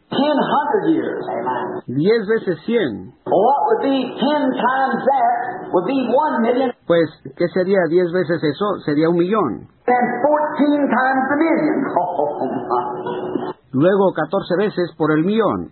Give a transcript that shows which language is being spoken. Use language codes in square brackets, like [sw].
[en] 1,000 years. [es] 10 veces 100. [en] What would be 10 times that would be 1,000,000. [es] Pues, ¿qué sería 10 veces eso? Sería 1,000,000. [en] And 14 times the million. Oh, my. [es] Luego 14 veces por el millón.